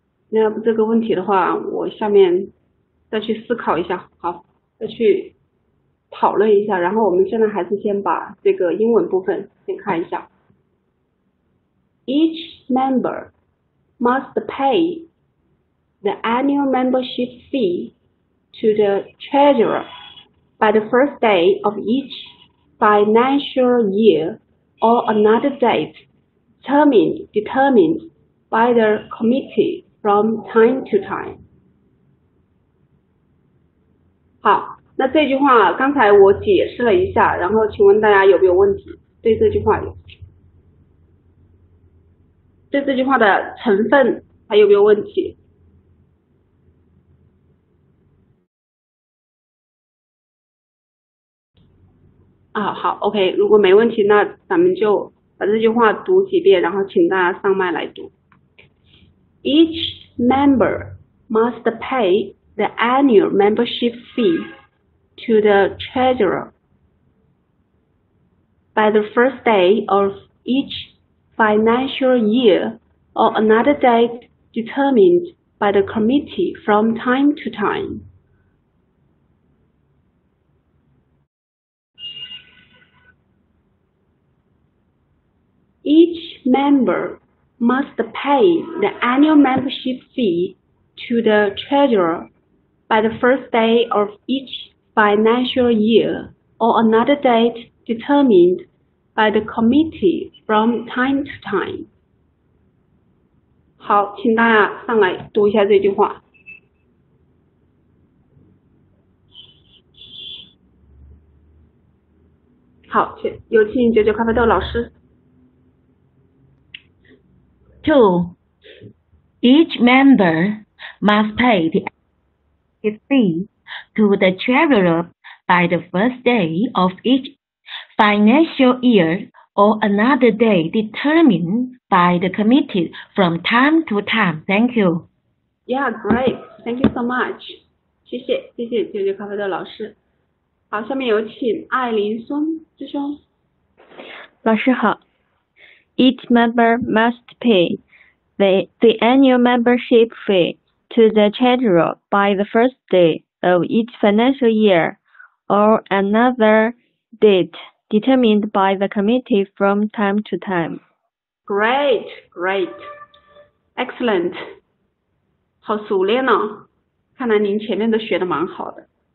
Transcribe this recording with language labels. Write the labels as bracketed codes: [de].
[zh] 那要不这个问题的话，我下面再去思考一下，好，再去讨论一下。然后我们现在还是先把这个英文部分先看一下。 [en] Each member must pay the annual membership fee to the treasurer by the first day of each financial year or another date determined by the committee from time to time. [zh] 好，那这句话刚才我解释了一下，然后请问大家有没有问题？对这句话的成分还有没有问题？好，OK， 如果没问题，那咱们就把这句话读几遍，然后请大家上麦来读。 [en] Each member must pay the annual membership fee to the treasurer by the first day of each financial year or another date determined by the committee from time to time. Each member must pay the annual membership fee to the treasurer by the first day of each financial year or another date determined by the committee from time to time. [zh] 好，请大家上来读一下这句话。好，请有请九九咖啡豆老师。 [en] Two, each member must pay the fee to the treasurer by the first day of each financial year or another day determined by the committee from time to time. Thank you. Yeah, great. Thank you so much. [zh] 谢谢，谢谢九九咖啡豆老师。好，下面有请艾琳孙师兄。老师好。 [en] Each member must pay. The annual membership fee to the treasurer by the first day of each financial year or another date determined by the committee from time to time. Great, great. Excellent. [zh] 好熟练哦，看来您前面都学得蛮好的。